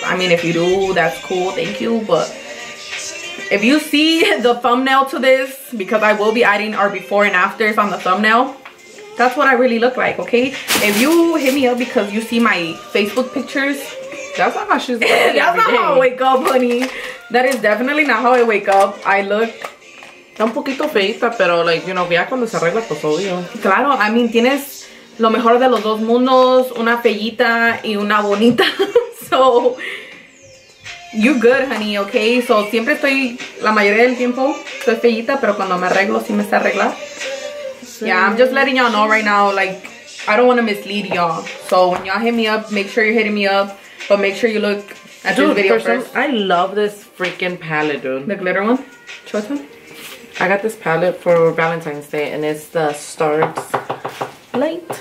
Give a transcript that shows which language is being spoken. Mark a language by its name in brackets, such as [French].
[English] I mean, if you do, that's cool. Thank you. But if you see the thumbnail to this, because I will be adding our before and afters on the thumbnail, that's what I really look like, okay? If you hit me up because you see my Facebook pictures, that's not how she's that's not how I wake up, honey. That is definitely not how I wake up. I look [Spanish] un poquito feita, pero [English] like, you know, [Spanish] ya cuando se arregla, pues obvio. Claro, [English] I mean, [Spanish] tienes lo mejor de los dos mundos, una feita y una bonita. [English] So, you good, honey, okay? [Spanish] So, siempre estoy, la mayoría del tiempo, estoy feita, pero cuando me arreglo, sí me está arreglada. [English] Yeah, I'm just letting y'all know right now, like, I don't want to mislead y'all. So when y'all hit me up, make sure you're hitting me up. But make sure you look at this video first. I love this freaking palette, dude. The glitter one? Show us one. I got this palette for Valentine's Day, and it's the Stars Light.